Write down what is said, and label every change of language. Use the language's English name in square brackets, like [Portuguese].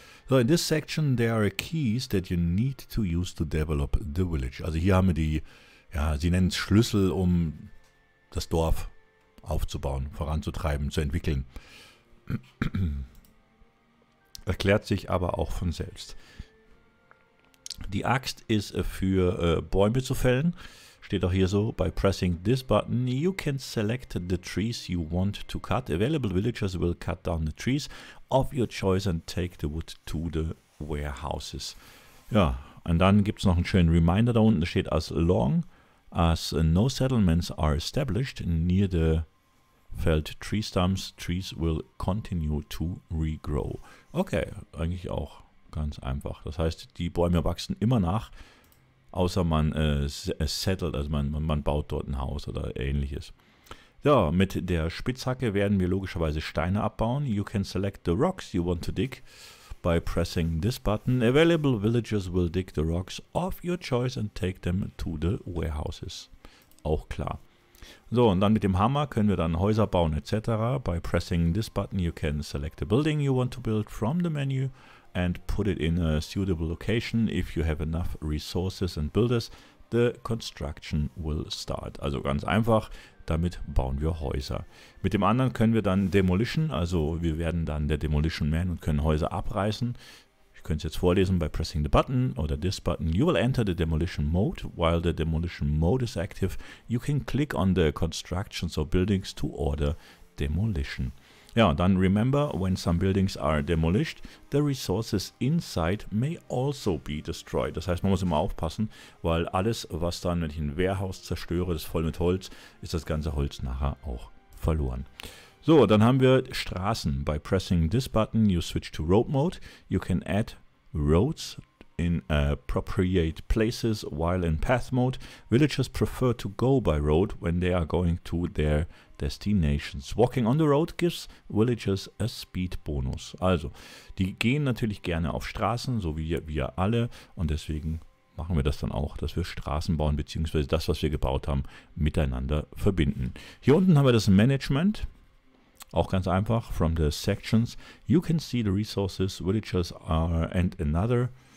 [English] So, in this section there are keys that you need to use to develop the village. [German] Also hier haben wir die, ja, sie nennen es Schlüssel, um das Dorf aufzubauen, voranzutreiben, zu entwickeln. Erklärt sich aber auch von selbst. Die Axt ist für Bäume zu fällen. Steht auch hier so: [English] By pressing this button, you can select the trees you want to cut. Available villagers will cut down the trees of your choice and take the wood to the warehouses. [German] Ja, und dann gibt es noch einen schönen Reminder da unten. Da steht: [English] As long as no settlements are established near the felled tree stumps, trees will continue to regrow. [German] Okay, eigentlich auch ganz einfach. Das heißt, die Bäume wachsen immer nach. Außer man settelt, also man baut dort ein Haus oder ähnliches. Ja, mit der Spitzhacke werden wir logischerweise Steine abbauen. [English] You can select the rocks you want to dig by pressing this button. Available villagers will dig the rocks of your choice and take them to the warehouses. [German] Auch klar. So, und dann mit dem Hammer können wir dann Häuser bauen etc. [English] By pressing this button you can select the building you want to build from the menu and put it in a suitable location. If you have enough resources and builders, the The construction will start. [German] Also ganz einfach, damit bauen wir Häuser. Mit dem anderen können wir dann Demolition, also wir werden dann der Demolition Man und können Häuser abreißen. Ich könnte es jetzt vorlesen bei [English] pressing the button oder this button. You will enter the Demolition Mode. While the Demolition Mode is active, you can click on the constructions or buildings to order Demolition. [German] Ja, dann [English] remember, when some buildings are demolished, the resources inside may also be destroyed. [German] Das heißt, man muss immer aufpassen, weil alles, was dann, wenn ich ein Warehouse zerstöre, das ist voll mit Holz, ist das ganze Holz nachher auch verloren. So, dann haben wir Straßen. [English] By pressing this button, you switch to road mode. You can add roads in appropriate places while in path mode. Villagers prefer to go by road when they are going to their destinations. Walking on the road gives villagers a speed bonus. [German] Also, die gehen natürlich gerne auf Straßen, so wie wir alle, und deswegen machen wir das dann auch, dass wir Straßen bauen, beziehungsweise das, was wir gebaut haben, miteinander verbinden. Hier unten haben wir das Management. Auch ganz einfach, [English] from the sections. You can see the resources villagers are and another.